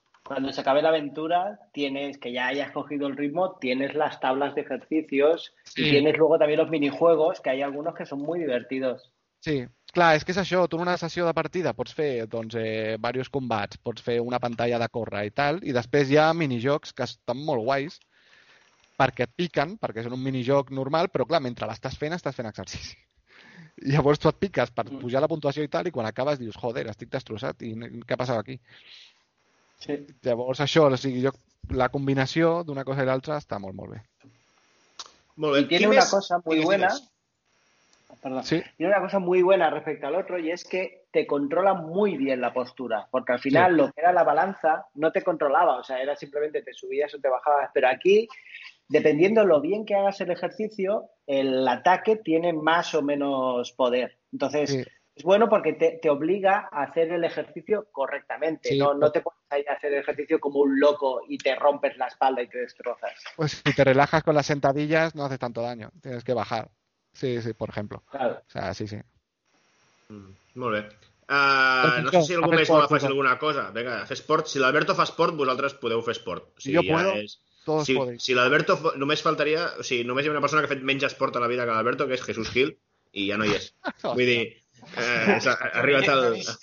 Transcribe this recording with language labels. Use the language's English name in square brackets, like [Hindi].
[Catalan] Quan s'acabi l'aventura, [Spanish] tienes que ja hayas cogido el ritmo, tienes las tablas de ejercicios sí. Y tienes luego también los minijuegos, que hay algunos que son muy divertidos. [Catalan] Sí, clar, és que és això, tu en una sessió de partida pots fer doncs, varios combats, pots fer una pantalla de córrer i tal, i després hi ha minijocs que estan molt guais perquè et piquen, perquè són un minijoc normal, però clar, mentre l'estàs fent, estàs fent exercici. I llavors tu et piques per pujar la puntuació i tal, i quan acabes dius, joder, estic destrossat, i què ha passat aquí? Sí. Llavors això, o sigui, jo, la combinació d'una cosa i l'altra està molt, molt bé. Molt bé. [Spanish] I tiene una cosa muy buena. Perdón. Sí. Tiene una cosa muy buena respecto al otro y es que te controla muy bien la postura. Porque al final sí. Lo que era la balanza no te controlaba. O sea, era simplemente te subías o te bajabas. Pero aquí, dependiendo lo bien que hagas el ejercicio, el ataque tiene más o menos poder. Entonces... Sí. Es bueno porque te obliga a hacer el ejercicio correctamente. Sí, no te pones ahí a hacer el ejercicio como un loco y te rompes la espalda y te destrozas. Pues si te relajas con las sentadillas no haces tanto daño. Tienes que bajar. Sí, por ejemplo. Claro. O sea, sí, sí. Muy bien. [Catalan] No sé si algú més vol afegir alguna cosa. Vinga, fer esport. Si l'Alberto fa esport, vosaltres podeu fer esport. O sigui, jo puedo, ja és... todos [Spanish] si, podéis. [Catalan] Si l'Alberto només faltaria... O sigui, només hi ha una persona que ha fet menys esport a la vida que l'Alberto, que és Jesús Gil, i ja no hi és. Vull dir... arribat al...